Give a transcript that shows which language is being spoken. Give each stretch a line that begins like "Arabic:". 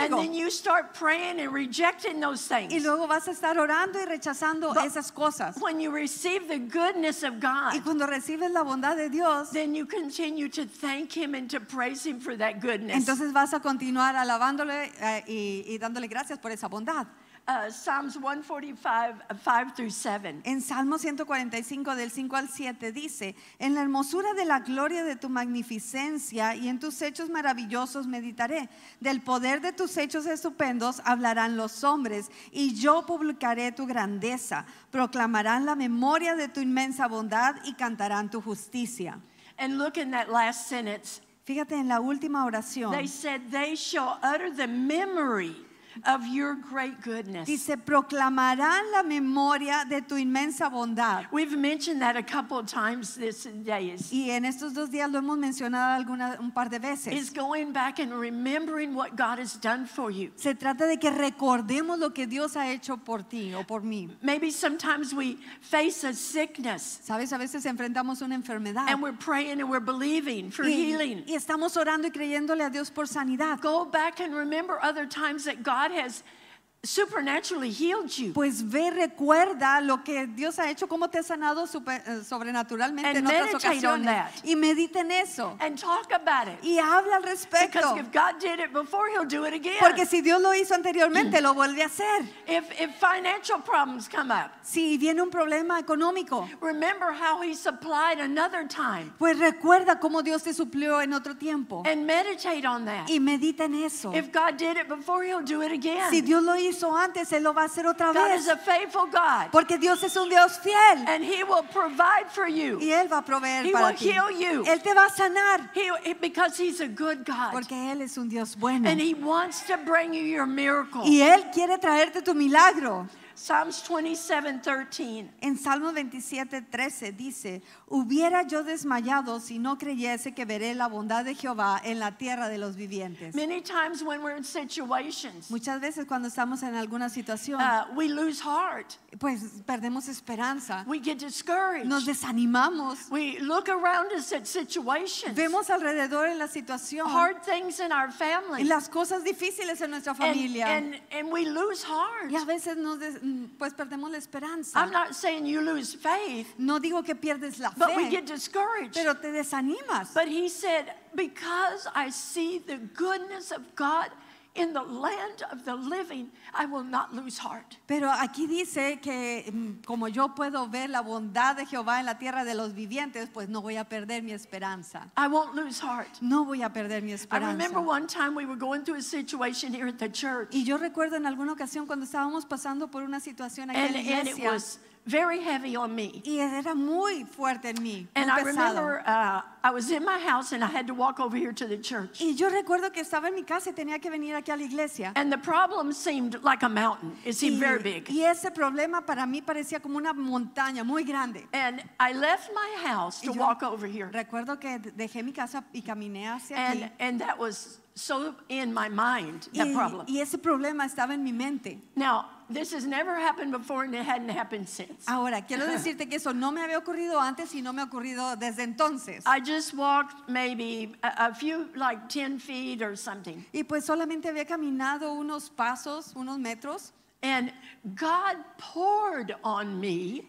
English: And then you start praying and rejecting those things.
Spanish: Y luego vas a estar orando y rechazando esas cosas.
English: When you receive the goodness of God,
Spanish: y cuando recibes la bondad de Dios,
English: then you continue to thank Him and to praise Him for that goodness.
Spanish: Entonces vas a continuar alabándole y dándole gracias por esa bondad.
English: Psalms 145:5-7.
Spanish: En Salmo 145 del 5 al 7 dice, en la hermosura de la gloria de tu magnificencia y en tus hechos maravillosos meditaré. Del poder de tus hechos estupendos hablarán los hombres y yo publicaré tu grandeza. Proclamarán la memoria de tu inmensa bondad y cantarán tu justicia.
English: And look in that last sentence.
Spanish: Fíjate en la última oración.
English: They said they shall utter the memory of your great goodness.
Spanish: Dice, proclamarán la memoria de tu inmensa bondad.
English: We've mentioned that a couple of times this day.
Spanish: Y en estos dos días lo hemos mencionado un par de veces.
English: It's going back and remembering what God has done for you.
Spanish: Se trata de que recordemos lo que Dios ha hecho por ti o por mí.
English: Maybe sometimes we face a sickness.
Spanish: Sabes, a veces enfrentamos una enfermedad.
English: And we're praying and we're believing for healing.
Spanish: Y estamos orando y creyéndole a Dios por sanidad.
English: Go back and remember other times that God has supernaturally healed you.
Spanish: Pues ve, recuerda lo que Dios ha hecho, cómo te ha sanado sobrenaturalmente en otras ocasiones. Y medita en eso.
English: And talk about it.
Spanish: Y habla al respecto.
English: Because if God did it before, He'll do it again.
Spanish: Porque si Dios lo hizo anteriormente, lo vuelve a hacer.
English: If financial problems come up,
Spanish: si viene un problema económico,
English: remember how He supplied another time.
Spanish: Pues recuerda cómo Dios te suplió en otro tiempo.
English: And meditate on that.
Spanish: Y medita en eso.
English: If God did it before, He'll do it again.
Spanish: Si Dios lo hizo antes, Él lo va a hacer otra vez.
English: God is a faithful God.
Spanish: Porque Dios es un Dios fiel.
English: And He will provide for you.
Spanish: Y Él va a proveer
English: he
Spanish: para
English: will
Spanish: ti.
English: Heal you.
Spanish: Él te va a sanar.
English: Because He's a good God.
Spanish: Porque Él es un Dios bueno.
English: And He wants to bring you your miracle.
Spanish: Y Él quiere traerte tu milagro.
English: Psalms 27:13.
Spanish: En Salmo 27:13 dice, hubiera yo desmayado si no creyese que veré la bondad de Jehová en la tierra de los vivientes.
English: Many times when we're in situations,
Spanish: muchas veces cuando estamos en alguna situación,
English: we lose heart.
Spanish: Pues perdemos esperanza.
English: We get discouraged.
Spanish: Nos desanimamos.
English: We look around us at situations.
Spanish: Vemos alrededor en la situación.
English: Hard things in our family.
Spanish: Y las cosas difíciles en nuestra familia.
English: And we lose heart.
Spanish: Y a veces nos pues perdemos la esperanza.
English: I'm not saying you lose faith.
Spanish: No digo que pierdes la
English: but
Spanish: fe.
English: But we get discouraged.
Spanish: Pero te desanimas.
English: But He said, because I see the goodness of God in the land of the living, I will not lose heart.
Spanish: Pero aquí dice que como yo puedo ver la bondad de Jehová en la tierra de los vivientes, pues no voy a perder mi esperanza.
English: I won't lose heart.
Spanish: No voy a perder mi esperanza.
English: I remember one time we were going through a situation here at the church.
Spanish: Y yo recuerdo en alguna ocasión cuando estábamos pasando por una situación aquí en la iglesia.
English: And it was very heavy on me.
Spanish: Y era muy fuerte en mí.
English: And I remember I was in my house and I had to walk over here to the church.
Spanish: Y yo recuerdo que estaba en mi casa y tenía que venir aquí a la iglesia.
English: And the problem seemed like a mountain. It seemed very big.
Spanish: Y ese problema para mí parecía como una montaña muy grande.
English: And I left my house to walk over here.
Spanish: Recuerdo que dejé mi casa y caminé hacia aquí.
English: And that was so in my mind, that problem.
Spanish: Y ese problema estaba en mi mente.
English: Now, this has never happened before and it hadn't happened since.
Spanish: Ahora, quiero decirte que eso no me había ocurrido antes y no me ha ocurrido desde entonces.
English: I just walked maybe a few, like 10 feet or something.
Spanish: Y pues solamente había caminado unos pasos, unos metros.
English: And God poured on me.